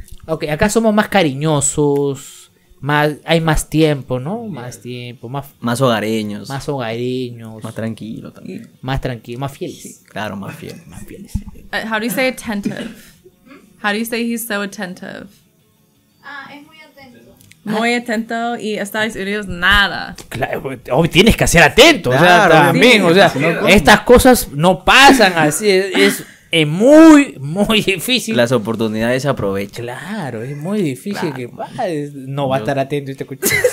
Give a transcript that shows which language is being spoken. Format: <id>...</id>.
<es>Ok, acá somos más cariñosos, hay más tiempo, ¿no? Yeah. Más tiempo, más hogareños. Más hogareños. Más tranquilo también. Más tranquilo, más fieles. Sí. Claro, más fieles. Más fieles.</es> <en>How do you say attentive? How do you say he's so attentive?</en> <es>Es muy atento. Muy atento y Estados Unidos nada. Claro, tienes que ser atento. Claro, o sea, también, sí. O sea, sí. Estas cosas no pasan así, es... Es muy, muy difícil. Las oportunidades aprovechan. Claro, es muy difícil que no va a estar atento y te escucha.</es>